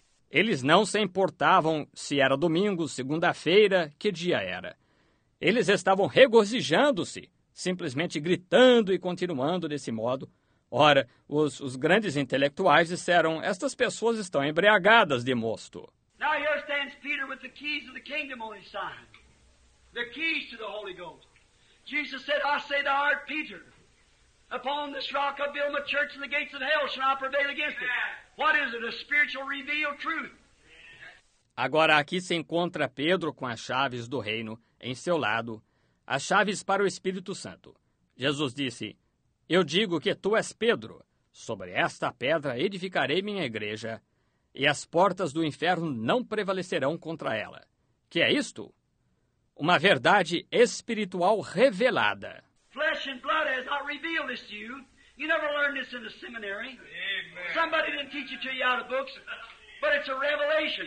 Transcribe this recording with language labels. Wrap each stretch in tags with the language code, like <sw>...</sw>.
<pt>Eles não se importavam se era domingo, segunda-feira, que dia era. Eles estavam regozijando-se, simplesmente gritando e continuando desse modo. Ora, os grandes intelectuais disseram, estas pessoas estão embriagadas de mosto.</pt> <en>Now here stands Peter with the keys of the kingdom on his side. The keys to the Holy Ghost. Jesus said, I say thou art Peter. Upon this rock I build my church and the gates of hell shall not prevail against it. What is it? A spiritual revealed truth.</en> <pt>Agora aqui se encontra Pedro com as chaves do reino em seu lado, as chaves para o Espírito Santo. Jesus disse, eu digo que tu és Pedro, sobre esta pedra edificarei minha igreja, e as portas do inferno não prevalecerão contra ela. Que é isto? Uma verdade espiritual revelada.</pt> <en>Flesh and blood has not revealed this to you. You never learned this in the seminary. Amen. Somebody didn't teach it to you out of books, but it's a revelation.</en>